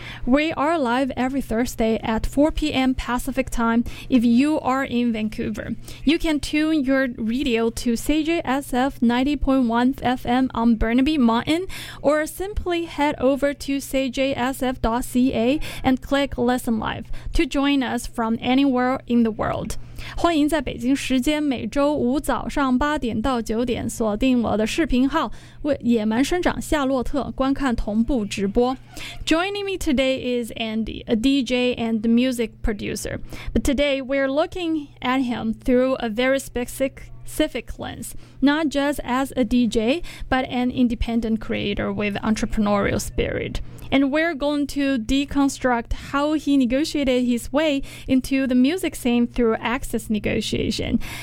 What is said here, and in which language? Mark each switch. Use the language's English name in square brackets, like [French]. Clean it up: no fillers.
[English] We are live every Thursday at 4 p.m. Pacific time if you are in Vancouver. You can tune your radio to CJSF 90.1 FM on Burnaby Mountain or simply head over to cjsf.ca and click Listen Live to join us from anywhere in the world. [Chinese] 欢迎在北京时间每周五早上八点到九点锁定我的视频号为野蛮生长夏洛特观看同步直播。 [English] Joining me today is Andy, a DJ and music producer. But today we're looking at him through a very specific lens, not just as a DJ, but an independent creator with entrepreneurial spirit. And we're going to deconstruct how he negotiated his way into the music scene through access negotiation.